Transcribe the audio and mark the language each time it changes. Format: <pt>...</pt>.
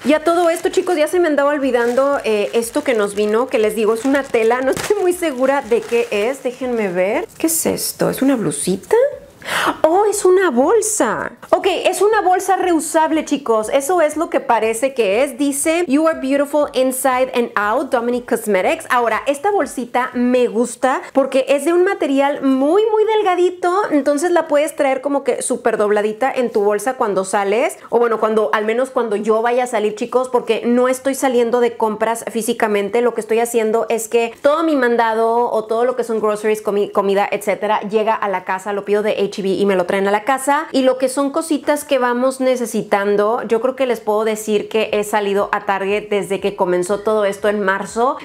<es>Ya tú todo esto, chicos, ya se me andaba olvidando esto que nos vino, que les digo, es una tela, no estoy muy segura de qué es, déjenme ver. ¿Qué es esto? ¿Es una blusita? ¡Oh, es una bolsa! Ok, es una bolsa reusable, chicos. Eso es lo que parece que es. Dice,</es> <en>You are beautiful inside and out, Dominique Cosmetics.</en> <es>Ahora, esta bolsita me gusta porque es de un material muy, muy delgadito. Entonces la puedes traer como que súper dobladita en tu bolsa cuando sales. O bueno, cuando, al menos cuando yo vaya a salir, chicos, porque no estoy saliendo de compras físicamente. Lo que estoy haciendo es que todo mi mandado o todo lo que son groceries, comida, etcétera, llega a la casa, lo pido de HB y me lo traen a la casa, y lo que son cositas que vamos necesitando, yo creo que les puedo decir que he salido a Target desde que comenzó todo esto en marzo,</es>